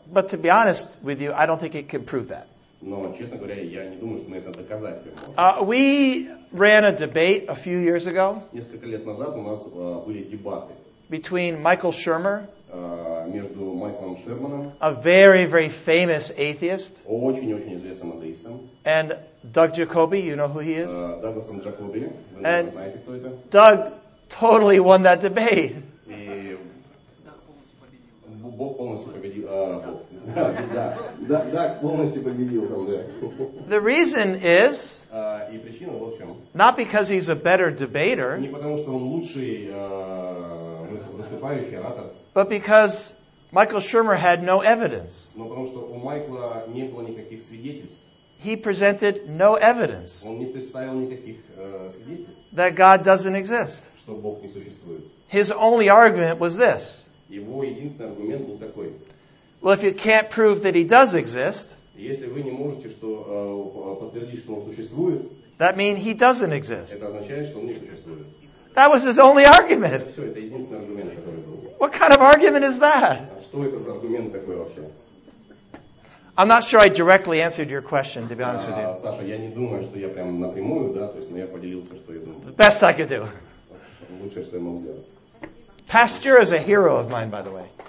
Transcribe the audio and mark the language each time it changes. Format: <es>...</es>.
<en>But to be honest with you, I don't think it can prove that.</en> <ru>Но, честно говоря, я не думаю, что мы это доказать можем.</ru> <en>We ran a debate a few years ago.</en> <ru>Несколько лет назад у нас были дебаты.</ru> <en>Between Michael Shermer.</en> <ru>Между Майклом Шерманом.</ru> <en>A very, very famous atheist.</en> <ru>Очень-очень известным атеистом.</ru> <en>And Doug Jacoby, you know who he is?</en> <ru>Дагласом Джакоби. Вы</ru> <en>and</en> <ru>знаете, кто это?</ru> <en>Doug totally won that debate.</en> <ru>И Бог полностью победил. Да, полностью победил там, да.</ru> <en>The reason is.</en> <ru>И причина вот в чем.</ru> <en>Not because he's a better debater.</en> <ru>Не потому, что он лучший выступающий оратор.</ru> <en>But because Michael Shermer had no evidence.</en> <ru>Но потому что у Майкла не было никаких свидетельств.</ru> <en>He presented no evidence.</en> <ru>Он не представил никаких свидетельств.</ru> <en>That God doesn't exist.</en> <ru>Что Бог не существует.</ru> <en>His only argument was this.</en> <ru>Его единственный аргумент был такой.</ru> <en>Well, if you can't prove that he does exist,</en> <ru>если вы не можете что, подтвердить, что он существует,</ru> <en>that means he doesn't exist.</en> <ru>Это означает, что он не существует.</ru> <en>That was his only argument.</en> <ru>Все, это единственный аргумент, который был.</ru> <en>What kind of argument is that?</en> <ru>А что это за аргумент такой вообще?</ru> <en>I'm not sure I directly answered your question, to be honest with you.</en> <ru>Саша, я не думаю, что я прям напрямую, да, то есть, но я поделился, что я думаю.</ru> <en>The best I could do.</en> <ru>Лучшее, что я мог сделать.</ru> <en>Pasteur is a hero of mine, by the way.</en>